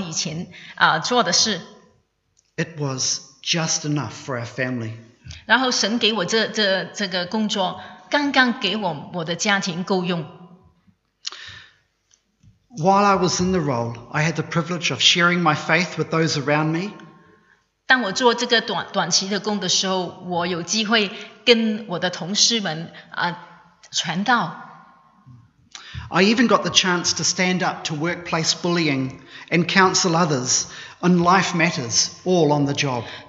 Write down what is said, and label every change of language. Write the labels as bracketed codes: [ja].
[zh] 当我已经离开那个工作已经八年了，因为我是做在教会的工作，但是神给我一份工作是回到我以前做的事。 [en] It was just enough for our family. [zh] 然后神给我这个工作，刚刚给我的家庭够用。 [en] While I was in the role, I had the privilege of sharing my faith with those around me. [zh] 当我做这个短期的工的时候，我有机会跟我的同事们传道。 [en] I even got the chance to stand up to workplace bullying and counsel others on life matters, all on the job.